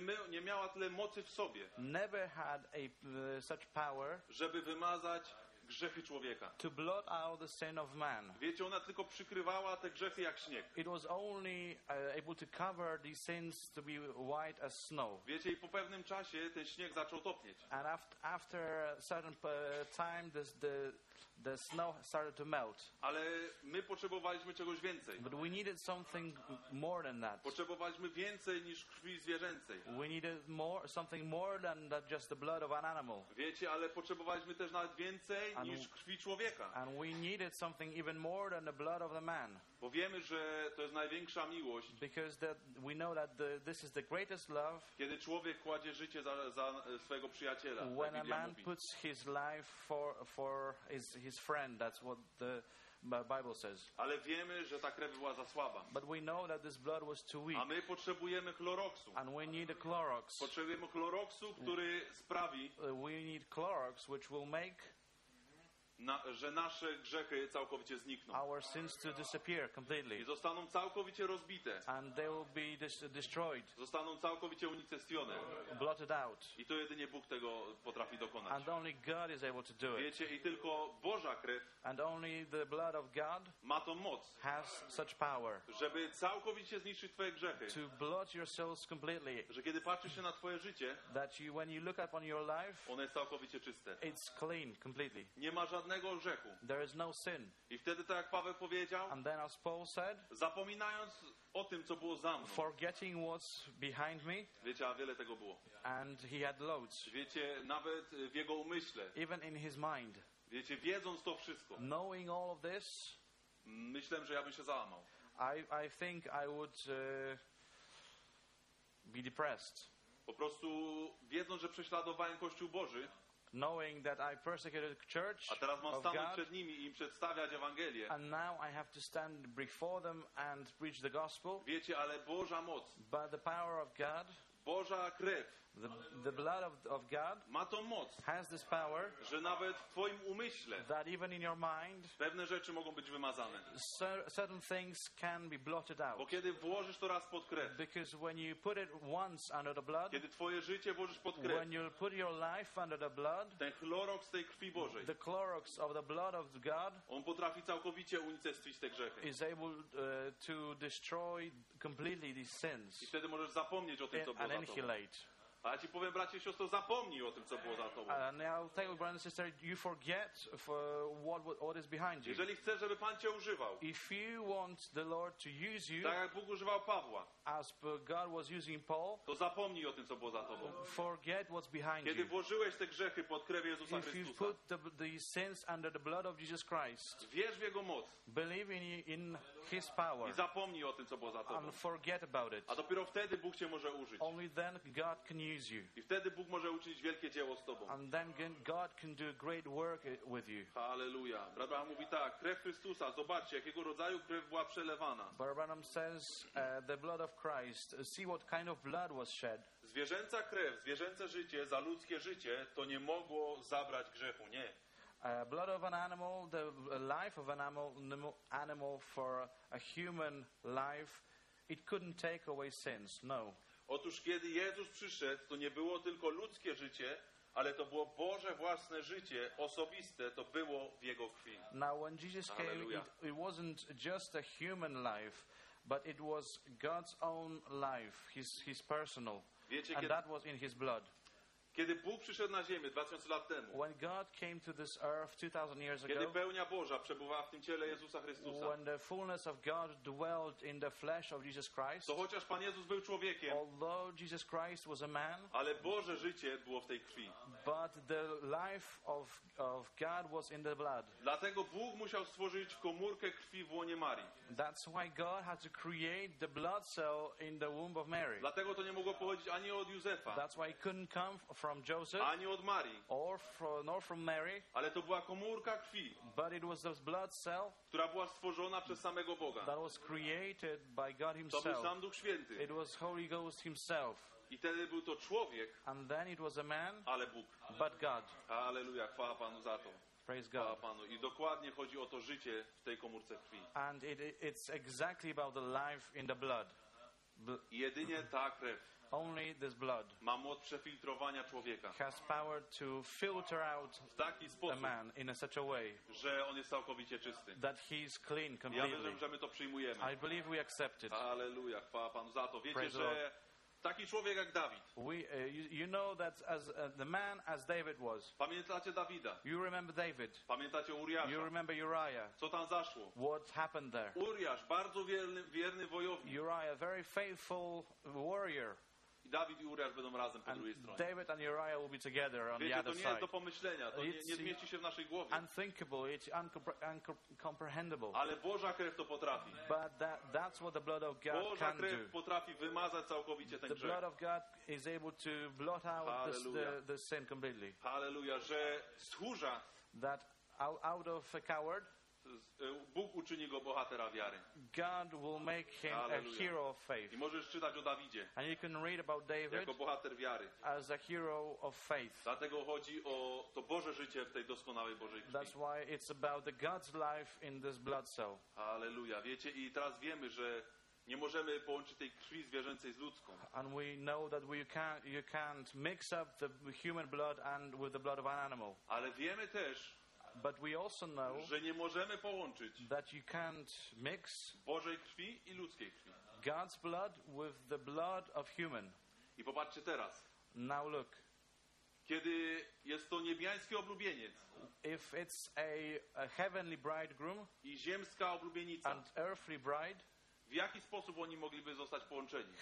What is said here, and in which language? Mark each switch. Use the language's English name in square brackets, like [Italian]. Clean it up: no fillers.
[Polish] Nie miała tyle mocy w sobie. [English] Never had a such power. [Polish] Żeby wymazać grzechy człowieka. [English] To blot out the sin of man. [Polish] Wiecie, ona tylko przykrywała te grzechy jak śnieg. [English] It was only able to cover these sins to be white as snow. [Polish] Wiecie, i po pewnym czasie ten śnieg zaczął topnieć. [English] And after a certain time the snow started to melt. [Polish] Ale my potrzebowaliśmy czegoś więcej. [English] But we needed something more than that. [Polish] Potrzebowaliśmy więcej niż krwi zwierzęcej. [English] We needed something more than that, just the blood of an animal. [Polish] Wiecie, ale potrzebowaliśmy też nawet więcej niż krwi człowieka. [English] And we needed something even more than the blood of the man. [Polish] Bo wiemy, że to jest największa miłość. [English] Because that we know that this is the greatest love. [Polish] Kiedy człowiek kładzie życie za swojego przyjaciela. [English] When [Polish] tak [English] a man [Polish] mówi. [English] Puts his life for his friend, that's what the Bible says. [Polish] Ale wiemy, że ta krew była za słaba. [English] But we know that this blood was too weak. [Polish] A my potrzebujemy Kloroksu. [English] And we need a Clorox. [Polish] Potrzebujemy Kloroksu, który sprawi. [English] We need Clorox, which will make [Polish] że nasze grzechy całkowicie znikną. [English] Our sins to disappear completely. [Polish] I zostaną całkowicie rozbite. [English] And they will be destroyed. [Polish] Zostaną całkowicie unicestwione. [English] Blotted out. [Polish] I to jedynie Bóg tego potrafi dokonać. [English] And only God is able to do it. [Polish] Wiecie, i tylko Boża krew. [English] And only the blood of God [Polish] ma tą moc. [English] Has such power. [Polish] Żeby całkowicie zniszczyć twoje grzechy. [English] To blot your souls completely. [Polish] Że kiedy patrzysz się na twoje życie, [English] that you, when you look upon your life, [Polish] one jest całkowicie czyste. [English] It's clean completely. [Polish] Nie ma żadnego grzechu. [English] There is no sin. [Polish] I wtedy tak jak Paweł powiedział, [English] and then as Paul said, [Polish] zapominając o tym, co było za mną. [English] Forgetting what's behind me. [Polish] Wiecie, a wiele tego było. [English] And he had loads. [Polish] Wiecie, nawet w jego umyśle. [English] Even in his mind. [Polish] Wiecie, wiedząc to wszystko. [English] Knowing all of this, [Polish] myślę, że ja bym się załamał. [English] I think I would be depressed. [Polish] Po prostu wiedząc, że prześladowałem Kościół Boży. [English] Knowing that I persecuted the church, [Polish] a teraz mam stanąć przed nimi i im przedstawiać Ewangelię. [English] And now I have to stand before them and preach the gospel. [Polish] Wiecie, ale Boża moc, [English] but the power of God, [Polish] Boża krew, [English] the blood of God, [Polish] ma tą moc, [English] has this power, [Polish] że nawet w twoim umyśle, [English] that even in your mind, [Polish] pewne rzeczy mogą być wymazane. [English] Certain things can be blotted out. [Polish] Bo kiedy włożysz to raz pod krew, [English] because when you put it once under the blood, [Polish] kiedy twoje życie włożysz pod krew, [English] when you put your life under the blood, [Polish] ten chlorox tej krwi Bożej, [English] the chlorox of the blood of God, [Polish] on potrafi całkowicie unicestwić te grzechy. [English] Is able to destroy completely these sins. [Polish] I wtedy możesz zapomnieć o tym, co [English] and [Polish] było [English] annihilate. [Polish] Za tobą. A ja ci powiem, bracie i siostro, zapomnij o tym, co było za tobą. [English] And I'll tell you, brother and sister, you forget for what is behind you. [Polish] Jeżeli chcesz, żeby Pan cię używał, [English] if you want the Lord to use you, [Polish] tak jak Bóg używał Pawła, [English] as God was using Paul, [Polish] to zapomnij o tym, co było za tobą. [English] Forget what's behind you. [Polish] Kiedy włożyłeś te grzechy pod krew Jezusa Chrystusa, [English] if you put the sins under the blood of Jesus Christ, [Polish] wierz w jego moc, [English] believe in his power, [Polish] i zapomnij o tym, co było za tobą. [English] And forget about it. [Polish] A dopiero wtedy Bóg cię może użyć. [English] Only then God can use you. [Polish] I wtedy Bóg może uczynić wielkie dzieło z tobą. [English] And then God can do great work with you. Hallelujah. [Polish] Brother Branham mówi tak, krew Chrystusa, zobaczcie, jakiego rodzaju krew była przelewana. [English] Brother Branham says, the blood of Christ, see what kind of blood was shed. [Polish] Zwierzęca krew, zwierzęce życie za ludzkie życie, to nie mogło zabrać grzechu, nie. [English] Blood of an animal, the life of an animal for a human life, it couldn't take away sins, no. [Polish] Otóż kiedy Jezus przyszedł, to nie było tylko ludzkie życie, ale to było Boże własne życie osobiste, to było w jego krwi. [English] Now when Jesus came, it wasn't just a human life, but it was God's own life, his personal. [Polish] Wiecie, [English] and that was in his blood. [Polish] Kiedy Bóg przyszedł na ziemię 2000 lat temu, [English] when God came to this earth 2000 years ago, [Polish] kiedy pełnia Boża przebywała w tym ciele Jezusa Chrystusa, [English] when the fullness of God dwelt in the flesh of Jesus Christ, [Polish] to chociaż Pan Jezus był człowiekiem, [English] although Jesus Christ was a man, [Polish] ale Boże życie było w tej krwi. [English] But the life of God was in the blood. [Polish] Dlatego Bóg musiał stworzyć komórkę krwi w łonie Marii. [English] That's why God had to create the blood cell in the womb of Mary. [Polish] Dlatego to nie mogło pochodzić ani od Józefa. [English] That's why it couldn't come from Joseph, [Polish] ani od Marii, [English] nor from Mary, [Polish] ale to była komórka krwi, [English] but it was this blood cell, [Polish] która była stworzona przez samego Boga. [English] That was created by God himself. [Polish] To był sam Duch Święty. [English] It was Holy Ghost himself. [Polish] I wtedy był to człowiek, [English] and then it was a man, [Polish] ale Bóg, [English] but God. [Polish] Alleluja, chwała Panu za to. [English] Praise God. [Polish] Chwała Panu. I dokładnie chodzi o to życie w tej komórce krwi. [English] And it's exactly about the life in the blood. [Polish] Jedynie ta krew. [English] Only this blood [Polish] ma moc przefiltrowania człowieka. [English] Has power to filter out [Polish] w taki sposób, [English] a man in a such a way, [Polish] że on jest całkowicie czysty. [English] That he is clean completely. [Polish] Ja wierzę, że my to przyjmujemy. [English] I believe we accept it. [Polish] Hallelujah. Chwała Panu za to. Wiecie, że taki człowiek jak Dawid. [English] You know that as the man as David was. [Polish] Pamiętacie Dawida? [English] You remember David? [Polish] Pamiętacie Uriasza? [English] You remember Uriah? [Polish] Co tam zaszło? [English] What happened there? [Polish] Uriasz, bardzo wierny wojownik. [English] Uriah, very faithful warrior. [Polish] Dawid i Uriasz będą razem po drugiej stronie. [English] David and Uriah will be together on [Polish] wiecie, [English] the other side. [Polish] To nie jest do pomyślenia, to nie zmieści się w naszej głowie. [English] Unthinkable, it's uncomprehendable. [Polish] Ale Boża krew to potrafi. [English] But that's what the blood of God [Polish] Boża [English] can [Polish] krew [English] do. [Polish] Potrafi wymazać całkowicie ten [English] the [Polish] grzech. [English] The blood of God is able to blot out the sin completely. [Polish] Hallelujah, że stchórza, [English] that out of a coward, [Polish] Bóg uczyni go bohatera wiary. [English] God will make him Hallelujah. A hero of faith. [Polish] I możesz czytać o Dawidzie. [English] And you can read about David [Polish] jako bohater wiary. [English] As a hero of faith. [Polish] Dlatego chodzi o to Boże życie w tej doskonałej Bożej krwi. [English] That's why it's about the God's life in this blood cell. Hallelujah. [Polish] Wiecie, i teraz wiemy, że nie możemy połączyć tej krwi zwierzęcej z ludzką. [English] And we know that we you can't mix up the human blood and with the blood of an animal. [Polish] Ale wiemy też, [English] but we also know, [Polish] że nie możemy połączyć [English] that you can't mix [Polish] Bożej krwi i ludzkiej krwi. [English] God's blood with the blood of human. [Polish] I popatrzcie teraz. [English] Now look. [Polish] Kiedy jest to niebiański oblubieniec. [English] If it's a heavenly bridegroom [Polish] i ziemska oblubienica. [English] And earthly bride. [Polish] W jaki sposób oni mogliby zostać połączeni?